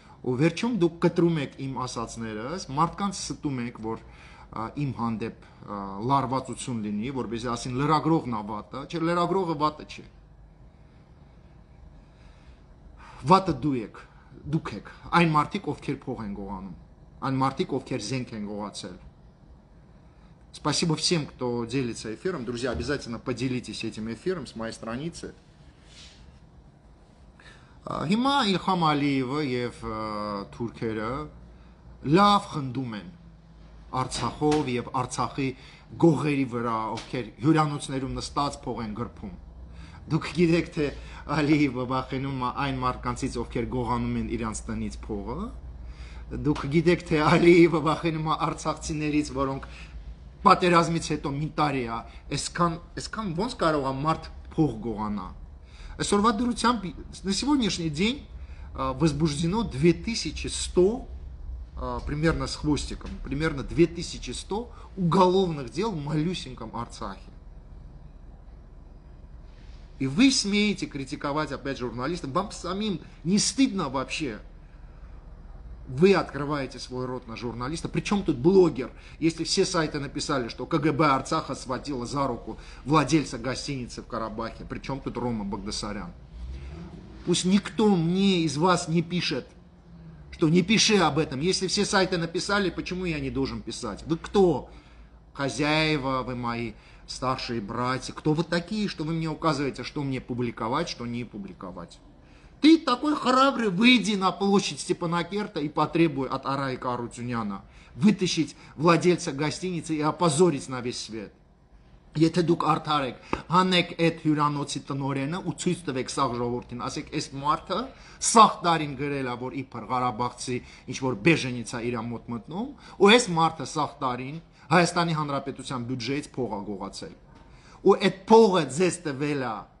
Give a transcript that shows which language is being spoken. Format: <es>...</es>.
<hy>Ու վերջում դուք կտրում եք իմ ասացներս, մարդկանց ստում եք, որ իմ հանդեպ լարվածություն լինի, որպեսզի ասին լրագրողն ա վատը, չէ, լրագրողը վատը չէ։ Վատը դու եք։ Դուք եք այն մարդիկ, ովքեր փող են գողանում, այն մարդիկ, ովքեր զենք են գողացել։</hy> <ru>Спасибо всем, кто делится эфиром. Друзья, обязательно поделитесь этим эфиром с моей страницы.</ru> <hy>Հիմա Իլհամ Ալիևը եւ թուրքերը լավ խնդում են Արցախով եւ Արցախի գողերի վրա, ովքեր հյուրանոցներում նստած փող են գրփում։ Դուք գիտեք, թե Ալիևը վախենում է այն մարդկանցից, ովքեր գողանում են իրանց տնից փողը։ Դուք գիտեք, թե Ալիևը վախենում է արցախցիներից, որոնք պատերազմից հետո մի տարի է, այսքան ո՞նց կարող է մարդ փող գողանա։ Այսօրվա դրությամբ</hy> <ru>на сегодняшний день возбуждено 2100 примерно с хвостиком, примерно 2100 уголовных дел в малюсеньком Арцахе. И вы смеете критиковать опять журналистов. Вам самим не стыдно вообще? Вы открываете свой рот на журналиста. Причем тут блогер? Если все сайты написали, что КГБ Арцаха схватило за руку владельца гостиницы в Карабахе. Причем тут Рома Багдасарян? Пусть никто мне из вас не пишет, что не пиши об этом. Если все сайты написали, почему я не должен писать? Вы кто? Хозяева, вы мои старшие братья, кто вы такие, что вы мне указываете, что мне публиковать, что не публиковать? Ты такой храбрый, выйди на площадь Степанакерта и потребуй от Арайка Арутюняна вытащить владельца гостиницы и опозорить на весь свет.</ru> <hy>Եթե դուք արդար եք, հանեք այդ հյուրանոցի տնորենը ու ցույց տվեք սաղ ժողովրդին, ասեք, այս մարդը սաղ տարին գրել է, որ իբր Ղարաբաղցի, ինչ որ բեժենից է իր մոտ մտնում, ու այս մարդը սաղ տարին Հայաստանի Հանրապետության բյուջեից փող է գողացել, ու այդ փողը ձեզ տվել է</hy>